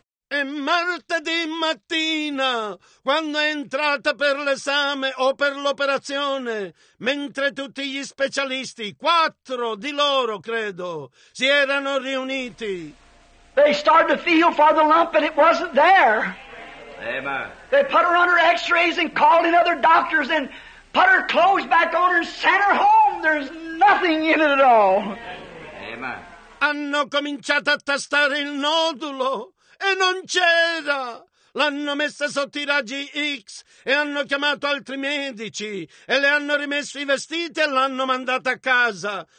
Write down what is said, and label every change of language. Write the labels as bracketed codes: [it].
[it] E martedì mattina, quando è entrata per l'esame o per l'operazione, mentre tutti gli specialisti, 4 di loro, credo, si erano riuniti. [en] They started to feel for the lump and it wasn't there. Amen. They put her under x-rays and called in other doctors and put her clothes back on her and sent her home. There's nothing in it at all. Amen. [it] Hanno cominciato a tastare il nodulo. E non c'era! L'hanno messa sotto i raggi X e hanno chiamato altri medici e le hanno rimesso i vestiti e l'hanno mandata a casa.